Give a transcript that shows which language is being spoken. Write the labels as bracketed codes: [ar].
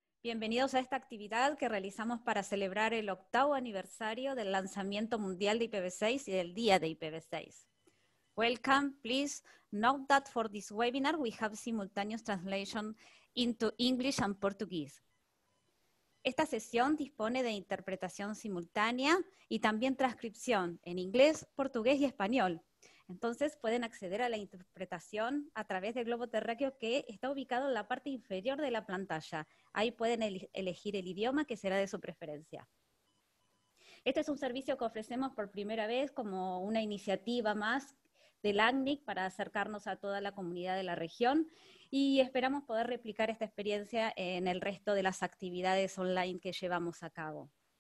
[es] Bienvenidos a esta actividad que realizamos para celebrar el octavo aniversario del lanzamiento mundial de IPv6 y del día de IPv6. [en] Welcome, please note that for this webinar we have simultaneous translation into English and Portuguese. [es] Esta sesión dispone de interpretación simultánea y también transcripción en inglés, portugués y español. Entonces pueden acceder a la interpretación a través del globo terráqueo que está ubicado en la parte inferior de la pantalla. Ahí pueden elegir el idioma que será de su preferencia. Este es un servicio que ofrecemos por primera vez como una iniciativa más del ACNIC para acercarnos a toda la comunidad de la región y esperamos poder replicar esta experiencia en el resto de las actividades online que llevamos a cabo.